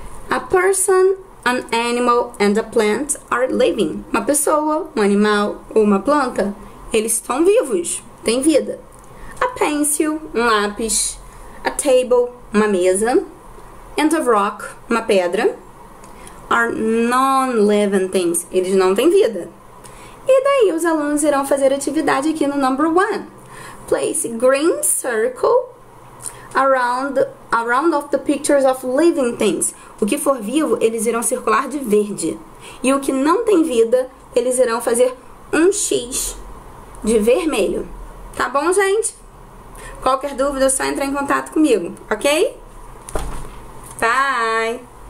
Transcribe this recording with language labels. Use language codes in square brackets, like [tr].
[en] A person, an animal and a plant are living. [pt] Uma pessoa, um animal ou uma planta, eles estão vivos, têm vida. [en] A pencil, [pt] um lápis. [en] A table, [pt] uma mesa. [en] And a rock, [pt] uma pedra. [en] Are non-living things. [pt] Eles não têm vida. E daí os alunos irão fazer atividade aqui no [en] number one. Place green circle around of the pictures of living things. [pt] O que for vivo, eles irão circular de verde. E o que não tem vida, eles irão fazer um X de vermelho. Tá bom, gente? Qualquer dúvida, é só entrar em contato comigo, ok? Bye!